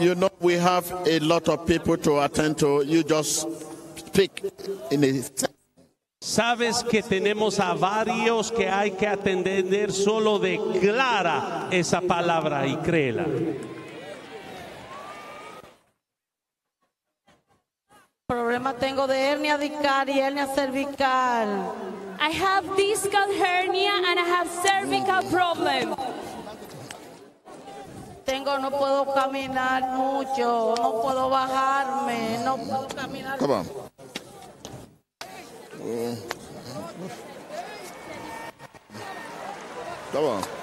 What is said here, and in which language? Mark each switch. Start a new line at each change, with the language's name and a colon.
English: You know we have a lot of people to attend to. You just speak in a.
Spanish: Sabes que tenemos a varios que hay que atender, solo declara esa palabra y créela. Problema tengo de hernia discal y hernia cervical.
English: I have discal hernia and I have cervical problem.
Spanish: Tengo, no puedo caminar mucho, no puedo bajarme, no puedo caminar.
English: Come on. Come on.